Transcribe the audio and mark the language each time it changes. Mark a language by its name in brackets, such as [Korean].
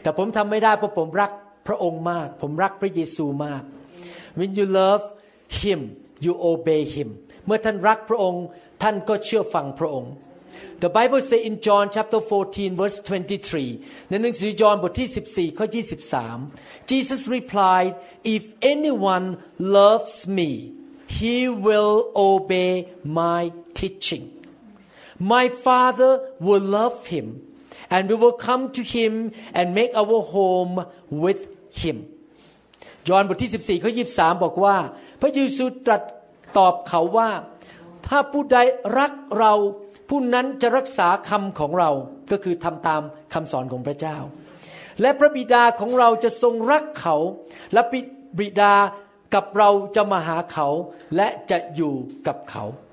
[Thai] แต่ผมทำไม่ได้เพราะผมรักพระองค์มากผมรักพระเยซูมาก [English] when you love him you obey him [Thai] เมื่อท่านรักพระองค์ท่านก็เชื่อฟังพระองค์ [English] The Bible say in John chapter 14 verse 23. [Thai] ในหนังสือยอห์นบทที่14ข้อ23 [English] Jesus replied, "If anyone loves me, he will obey my teaching. My Father will love him, and we will come to him and make our home with him." [Thai] ยอห์นบทที่14ข้อ23บอกว่าพระเยซูตรัสตอบเขาว่าถ้าผู้ใดรักเราผู้นั้นจะรักษาคำของเราก็คือทำตามคำสอนของพระเจ้าและพระบิดาของเราจะทรงรักเขาและบิดากับเราจะมาหาเขาและจะอยู่กับเขา